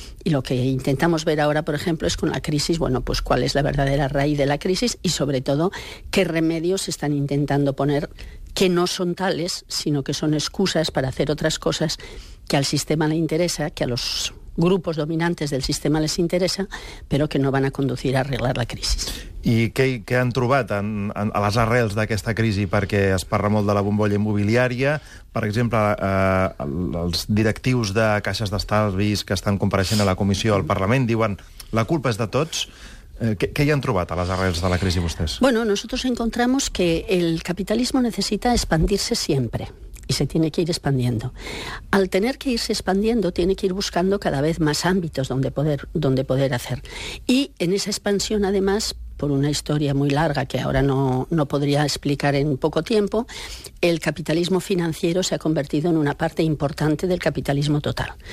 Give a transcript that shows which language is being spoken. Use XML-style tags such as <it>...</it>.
<es>Y lo que intentamos ver ahora, por ejemplo, es con la crisis, bueno, pues cuál es la verdadera raíz de la crisis y sobre todo qué remedios están intentando poner que no son tales, sino que son excusas para hacer otras cosas que al sistema le interesa, que a los grupos dominantes del sistema les interesa, pero que no van a conducir a arreglar la crisis.</es> <ca>I què han trobat a les arrels d'aquesta crisi? Perquè es parla molt de la bombolla immobiliària, per exemple, els directius de caixes d'estalvis que estan compareixent a la comissió al Parlament diuen la culpa és de tots.</ca> <es>¿Qué hayan</es> <ca>trobat a les arrels de la crisi vostès?</ca> <es>Bueno, nosotros encontramos que el capitalismo necesita expandirse siempre. Y se tiene que ir expandiendo. Al tener que irse expandiendo, tiene que ir buscando cada vez más ámbitos donde poder hacer. Y en esa expansión, además, por una historia muy larga que ahora no podría explicar en poco tiempo, el capitalismo financiero se ha convertido en una parte importante del capitalismo total.</es>